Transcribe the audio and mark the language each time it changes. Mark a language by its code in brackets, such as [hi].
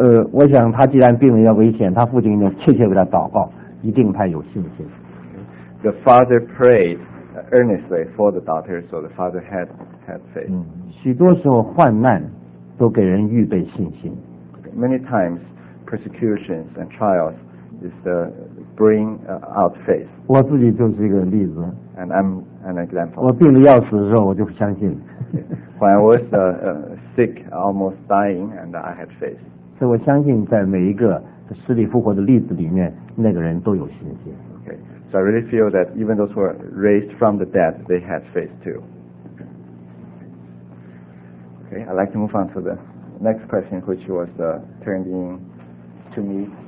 [zh] 我想他既然病得要危险，他父亲就切切为他祷告，一定他有信心。 [en] The father prayed earnestly for the daughter, so the father had. [zh] 许多时候患难都给人预备信心。 [en] Many times persecutions and trials is to bring out faith. [zh] 我自己就是一个例子。 [en] And I'm an example. [zh] 我病得要死的时候，我就相信。 [en] When I was sick, almost dying, and I had faith. [zh] 所以我相信，在每一个死里复活的例子里面，那个人都有信心。 [en] Okay, so I really feel that even those who were raised from the dead, they had faith too. Okay, I'd like to move on to the next question, which was turned in to me.